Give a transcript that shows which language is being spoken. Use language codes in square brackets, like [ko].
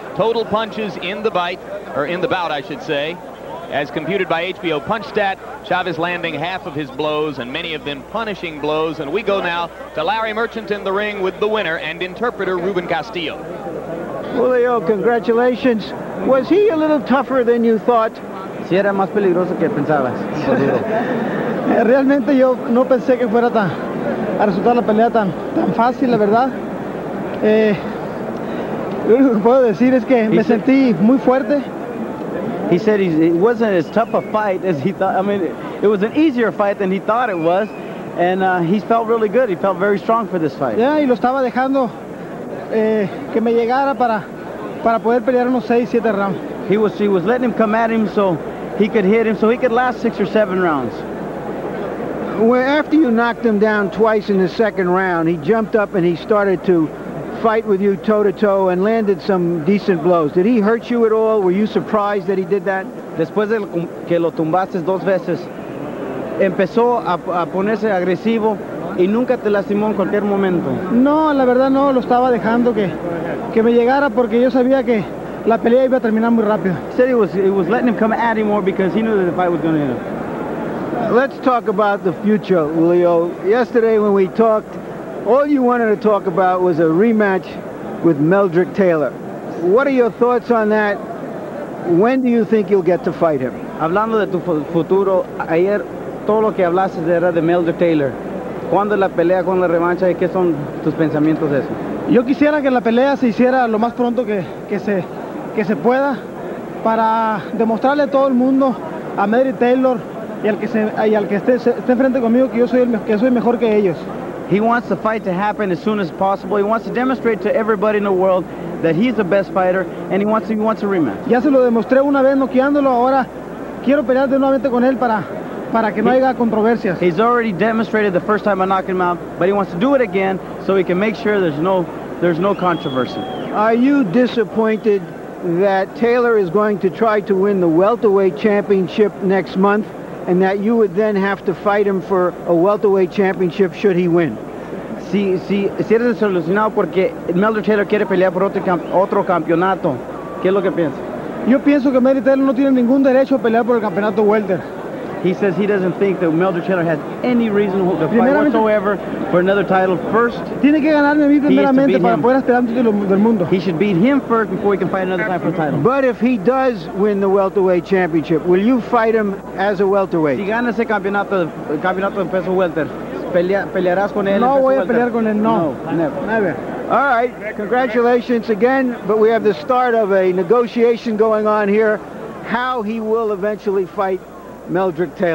[en] Total punches in the bite, or in the bout, I should say, as computed by HBO PunchStat, Chavez landing half of his blows and many of them punishing blows. And we go now to Larry Merchant in the ring with the winner and interpreter Ruben Castillo. Julio, congratulations. Was he a little tougher than you thought? [es] Sí, era más peligroso que pensabas. Realmente yo no pensé que fuera tan a resultar la pelea tan tan fácil, la verdad. Lo único que puedo decir es que me sentí muy fuerte. [en] He said it wasn't as tough a fight as he thought. I mean, it was an easier fight than he thought it was, and he felt really good. He felt very strong for this fight. [es] Yeah, y lo estaba dejando que me llegara para poder pelear unos 6, 7 rounds. [en] He was letting him come at him so he could hit him, so he could last 6 or 7 rounds. Well, after you knocked him down twice in the second round, he jumped up and he started to fight with you toe-to-toe and landed some decent blows. Did he hurt you at all? Were you surprised that he did that? [es] Después de que lo tumbaste dos veces, empezó a ponerse agresivo y nunca te lastimó en cualquier momento. No, la verdad no, lo estaba dejando que me llegara porque yo sabía que la pelea iba a terminar muy rápido. [en] He said he was letting him come at him more because he knew that the fight was going to end. Let's talk about the future, Julio. Yesterday when we talked, all you wanted to talk about was a rematch with Meldrick Taylor. What are your thoughts on that? When do you think you'll get to fight him? [es] Hablando de tu futuro, ayer todo lo que hablaste era de Meldrick Taylor. ¿Cuándo la pelea, cuándo la revancha y qué son tus pensamientos de eso? Yo quisiera que la pelea se hiciera lo más pronto que se pueda para demostrarle a todo el mundo a Meldrick Taylor y al que esté enfrente conmigo que yo soy mejor que ellos. [en] He wants the fight to happen as soon as possible. He wants to demonstrate to everybody in the world that he's the best fighter, and he wants a rematch. [es] Ya se lo demostré una vez noqueándolo. Ahora quiero pelear de nuevo con él para que no haya controversias. [en] He's already demonstrated the first time I knocked him out, but he wants to do it again so he can make sure there's no controversy. Are you disappointed that Taylor is going to try to win the welterweight championship next month, and that you would then have to fight him for a welterweight championship should he win? [es] Si eres desilusionado porque Meldrick Taylor quiere pelear por otro campeonato, ¿qué es lo que piensas? Yo pienso que Meldrick Taylor no tiene ningún derecho a pelear por el campeonato welter. [en] He says he doesn't think that Meldrick Taylor has any reason to fight whatsoever for another title first. [es] Tiene que ganarme a mí primeramente para poder aspirar al título del mundo. [en] He should beat him first before he can fight another time for the title. But if he does win the welterweight championship, will you fight him as a welterweight? [es] Si gana ese campeonato de peso welter, ¿pelearás con él? No voy a pelear con él, no. [en] No, never. Never. All right, congratulations again, but we have the start of a negotiation going on here, how he will eventually fight Meldrick Taylor.